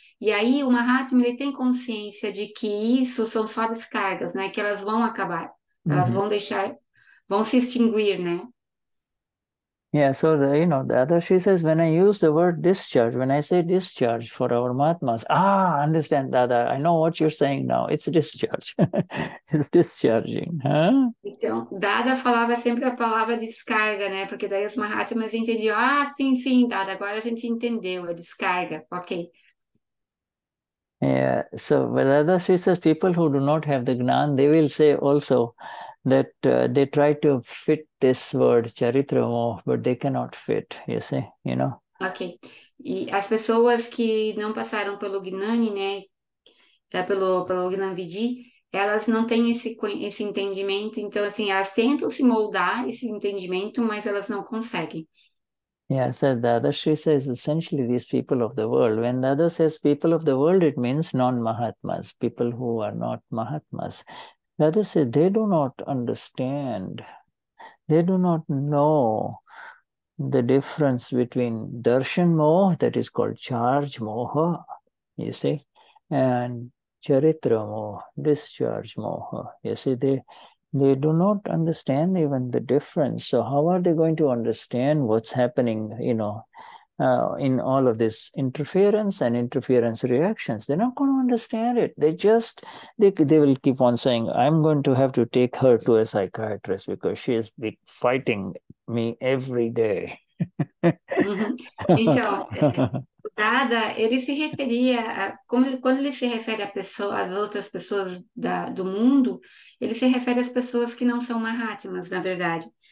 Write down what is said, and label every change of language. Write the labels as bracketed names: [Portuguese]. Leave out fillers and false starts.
[Portuguese] E aí o Mahatma, ele tem consciência de que isso são só descargas, né, que elas vão acabar, elas vão se extinguir, né? [English] Yeah, so, the other, she says, when I use the word discharge, when I say discharge for our Mahatmas, understand, Dada, I know what you're saying now. It's discharge. It's discharging. Huh? [Portuguese] Então, Dada falava sempre a palavra descarga, né? Porque daí os Mahatmas entendiam, sim, Dada, agora a gente entendeu, é descarga, ok. [English] Yeah, so, Dada, she says, people who do not have the Gnan, they will say also, that they try to fit this word Charitra Moha, but they cannot fit, you see, you know. Ok. [Portuguese] E as pessoas que não passaram pelo Gnani, né, pelo Gnani Vidi, elas não têm esse entendimento, então, assim, elas tentam se moldar esse entendimento, mas elas não conseguem. [English] Yeah, so Dadashri says essentially these people of the world. When Dada says people of the world, it means non-Mahatmas, people who are not Mahatmas. Dada says they do not understand, they do not know the difference between Darshan Moha, that is called Charge Moha, you see, and Charitra Moha, Discharge Moha. You see, they do not understand even the difference. So how are they going to understand what's happening, you know, in all of this interference and interference reactions? They're not going to understand it. They will keep on saying, I'm going to have to take her to a psychiatrist because she is fighting me every day. [Portuguese] Então, o Dada, ele se referia a, como ele, quando ele se refere a pessoas, às outras pessoas do mundo, ele se refere às pessoas que não são Mahatmas, na verdade.